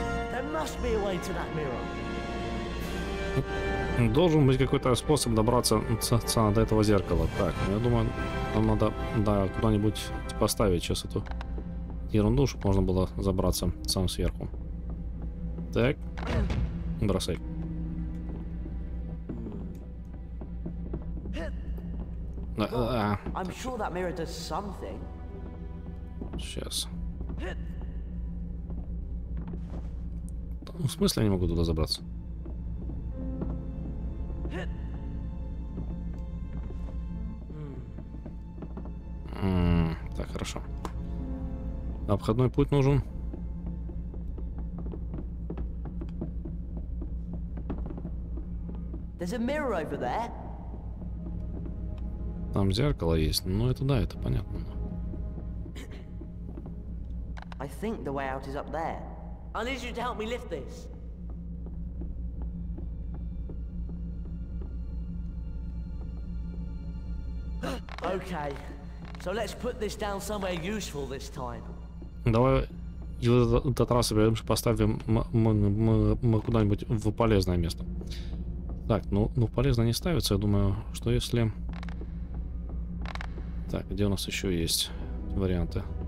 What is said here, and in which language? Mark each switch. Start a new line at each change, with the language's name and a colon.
English: There must be a way to that mirror.
Russian: Должен быть какой-то способ добраться до этого зеркала. Так, я думаю, нам надо куда-нибудь поставить сейчас эту ерунду, чтобы можно было забраться сам сверху. Так, бросай.
English: I'm sure that mirror does something.
Russian: Сейчас. В смысле, я не могу туда забраться? Так, хорошо. Обходной путь нужен.
English: There's a mirror over there.
Russian: Там зеркало есть, но это да, это понятно.
English: I think the way out is up there. I need you to help me lift this. Okay, so let's put this down somewhere useful this time.
Russian: Давай этот раз поставим мы куда-нибудь в полезное место. Так, ну полезно не ставится, я думаю, что если Так, где у нас еще есть варианты?